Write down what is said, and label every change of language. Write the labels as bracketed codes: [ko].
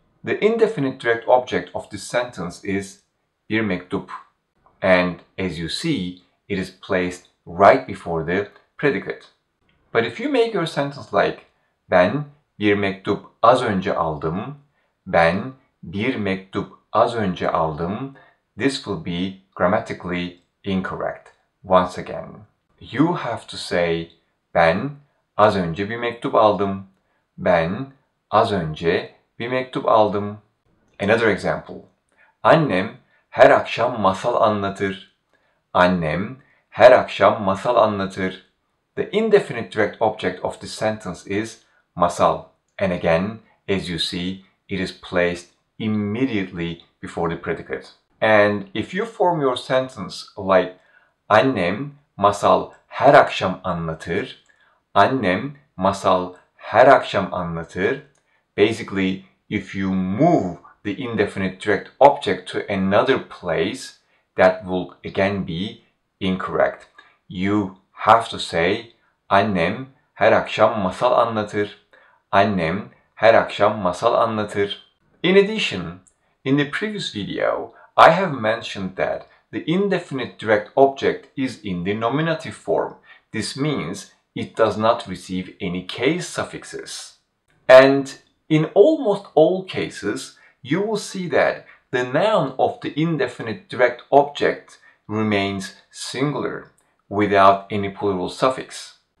[en] The indefinite direct object of this sentence is [tr] bir mektup. [en] And as you see, it is placed right before the predicate. But if you make your sentence like [tr] ben bir mektup az önce aldım, [en] ben bir mektup az önce aldım, this will be grammatically incorrect. Once again, you have to say [tr] ben az önce bir mektup aldım. Ben az önce bir mektup aldım. [en] Another example. [tr] Annem her akşam masal anlatır. Annem her akşam masal anlatır. [en] The indefinite direct object of this sentence is masal. And again, as you see, it is placed immediately before the predicate. And if you form your sentence like [tr] annem masal her akşam anlatır, [en] annem masal her akşam anlatır, basically, if you move the indefinite direct object to another place, that will again be incorrect. You have to say [tr] annem her akşam masal anlatır. Annem her akşam masal anlatır. [en] In addition, in the previous video, I have mentioned that the indefinite direct object is in the nominative form. This means it does not receive any case suffixes. And in almost all cases, you will see that the noun of the indefinite direct object remains singular without any plural suffix.